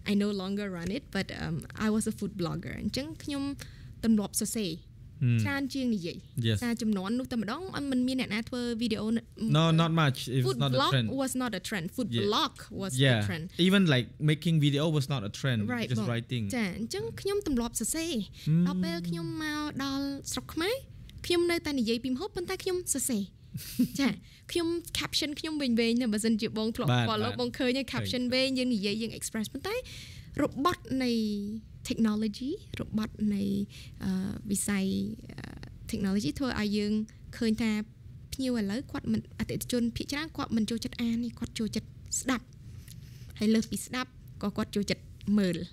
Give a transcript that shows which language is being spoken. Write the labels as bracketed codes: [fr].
[en] I no longer run it but I was a food blogger [km] អញ្ចឹងខ្ញុំទម្លាប់សរសេរច្រើនជាងនិយាយថាចំនួននោះតែម្ដងអត់មិនមានអ្នកណាធ្វើវីដេអូ [en] No not much it's not a trend food blog was not a trend food blog was a trend even like making video was not a trend just writing [km] ចាអញ្ចឹងខ្ញុំទម្លាប់សរសេរដល់ពេលខ្ញុំមកដល់ស្រុកខ្មែរខ្ញុំនៅតែនិយាយពីម្ហូបប៉ុន្តែខ្ញុំសរសេរចាខ្ញុំ caption ខ្ញុំវិញវិញបើសិនជាបងធ្លាប់ follow បងឃើញ caption វិញយើងនិយាយយើង express ប៉ុន្តែរបត់នៃtechnology របត់នៃវិស័យ technology ធ្វើឲ្យយើងឃើញថាភ្ញៀវឥឡូវគាត់មិនអតិថិជនភាគច្រើនគាត់មិនចូលចិត្តអាននេះគាត់ចូលចិត្តស្ដាប់ហើយលើសពីស្ដាប់ក៏គាត់ចូលចិត្តមើល